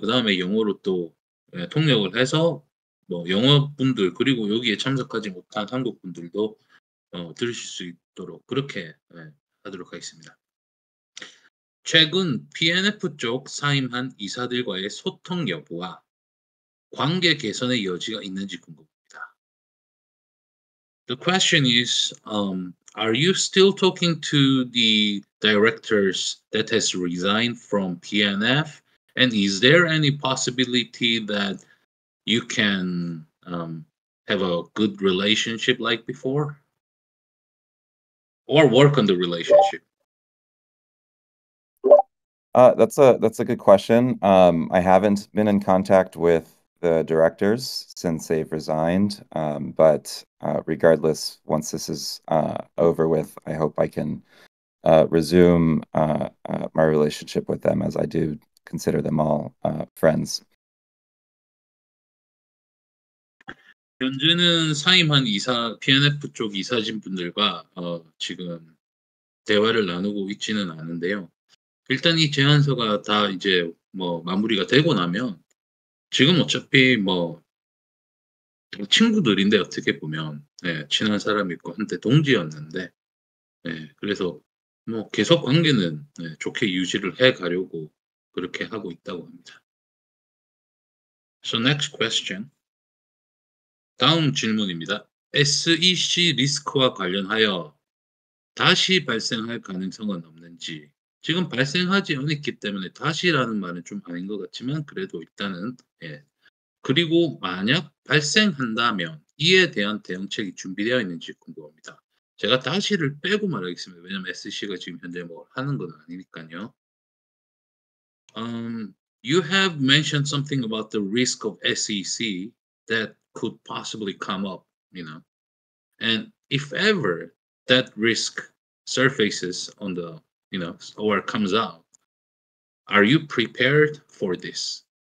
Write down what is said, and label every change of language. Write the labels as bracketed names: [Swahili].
[Korean] 그 다음에 영어로 또 예, 통역을 해서 뭐 영어 분들 그리고 여기에 참석하지 못한 한국 분들도 들으실 수 있도록 그렇게 예, 하도록 하겠습니다. 최근 PNF 쪽 사임한 이사들과의 소통 여부와 관계 개선의 여지가 있는지 궁금합니다. [English] The question is, are you still talking to the directors that has resigned from PNF? And is there any possibility that you can have a good relationship like before? Or work on the relationship? That's a good question. I haven't been in contact with the directors since they've resigned, but regardless, once this is over with, I hope I can resume my relationship with them, as I do consider them all friends. [Korean] 현재는 사임한 이사 PNF 쪽 이사진 분들과 지금 대화를 나누고 있지는 않은데요. 일단 이 제안서가 다 이제 뭐 마무리가 되고 나면 지금 어차피 뭐 친구들인데 어떻게 보면 예, 친한 사람이고 한때 동지였는데 예, 그래서 뭐 계속 관계는 예, 좋게 유지를 해 가려고 그렇게 하고 있다고 합니다. [English] So next question. [Korean] 다음 질문입니다. SEC 리스크와 관련하여 다시 발생할 가능성은 없는지? 지금 발생하지 않았기 때문에 다시라는 말은 좀 아닌 것 같지만 그래도 일단은 예. 그리고 만약 발생한다면 이에 대한 대응책이 준비되어 있는지 궁금합니다. 제가 다시를 빼고 말하겠습니다. 왜냐하면 SEC가 지금 현재 뭐 하는 건 아니니까요. [English] You have mentioned something about the risk of SEC that could possibly come up, you know. And if ever that risk surfaces on the, you know, or comes out, are you prepared for this?